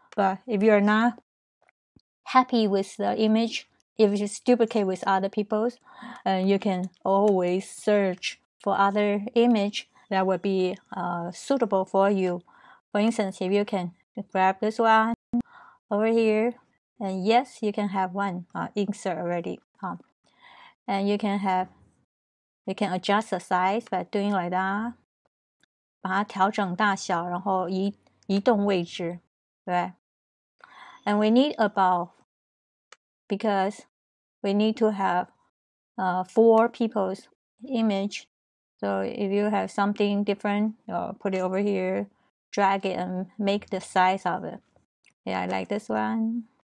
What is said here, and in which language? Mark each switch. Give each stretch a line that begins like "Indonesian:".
English: But if you are not happy with the image, if you just duplicate with other people's, you can always search for other image that would be suitable for you. For instance, if you can grab this one over here, and yes, you can have one insert already. And you can adjust the size by doing like that.
Chinese: 把它调整大小，然后移动位置，对。
English: And we need about, because we need to have 4 people's image. So if you have something different, put it over here. Drag it and make the size of it. Yeah, I like this one.